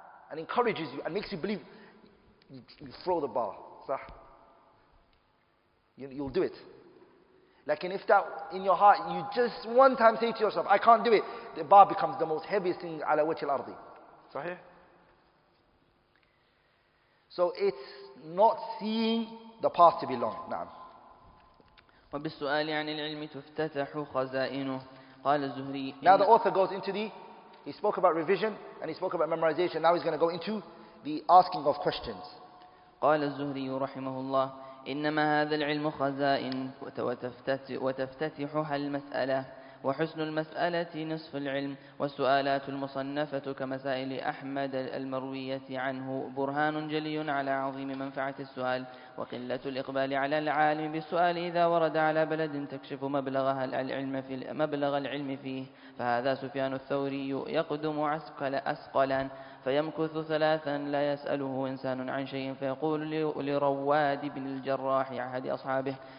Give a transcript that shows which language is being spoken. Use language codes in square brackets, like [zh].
[en] And encourages you and makes you believe, you throw the bar. Sah? You'll do it. Like, and if that in your heart, you just one time say to yourself, I can't do it, the bar becomes the most heaviest thing [ar] ala wajhi al-ardi. [en] So it's not seeing the path to be long. [ar] نعم. وبالسؤال عن العلم تفتتح خزائنه. قال الزهري. [en] Now the author goes into the, he spoke about revision and he spoke about memorization. Now he's going to go into the asking of questions. [ar] قال الزهري رحمه الله إنما هذا العلم خزائن وتفتتحها المسألة. وحسن المسألة نصف العلم والسؤالات المصنفة كمسائل أحمد المروية عنه برهان جلي على عظيم منفعة السؤال وقلة الإقبال على العالم بالسؤال إذا ورد على بلد تكشف مبلغها العلم في مبلغ العلم فيه فهذا سفيان الثوري يقدم عسقل أسقلا فيمكث ثلاثا لا يسأله إنسان عن شيء فيقول لرواد بن الجراح أحد أصحابه